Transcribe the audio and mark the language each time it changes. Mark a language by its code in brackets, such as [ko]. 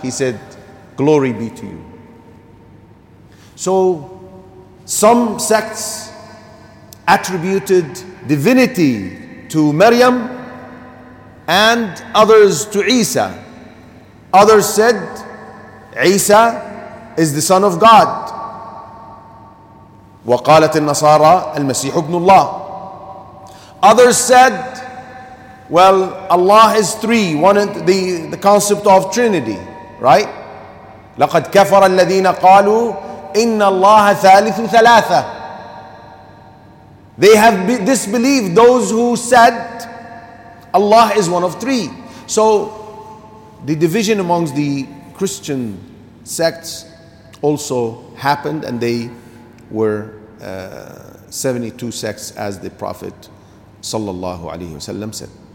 [en] He said, glory be to you. So some sects attributed divinity to Maryam and others to Isa. Others said, Isa is the son of God. [ar] وقالت النصارى المسيح ابن الله. [en] Others said, well, Allah is three, one the concept of Trinity, right? [ar] لقد كفر الذين قالوا إن الله ثالث ثلاثة. [en] They have disbelieved those who said Allah is one of three. So the division amongst the Christian sects also happened, and they were 72 sects, as the Prophet sallallahu alaihi wasallam said.